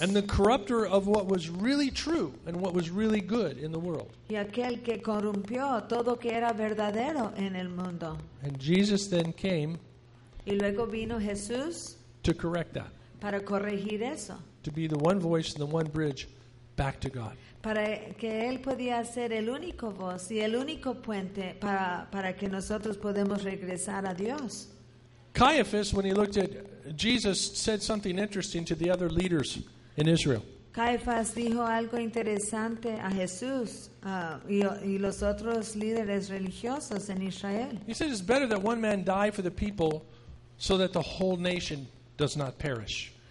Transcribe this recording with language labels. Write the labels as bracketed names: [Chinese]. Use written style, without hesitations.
[English] And the corrupter of what was really true and what was really good in the world. [Spanish] Y aquel que corrompió todo que era verdadero en el mundo. [English] And Jesus then came. [Spanish] Y luego vino Jesús. [English] To correct that. [Spanish] Para corregir eso. [English] To be the one voice and the one bridge back to God. [Spanish] Para que Él podía ser el único voz y el único puente para que nosotros podamos regresar a Dios. [English] Caiaphas, when he looked at Jesus, said something interesting to the other leaders in Israel. [Spanish] Caiaphas dijo algo interesante a Jesús y los otros líderes religiosos en Israel. [English] He said it's better that one man die for the people so that the whole nation does not perish.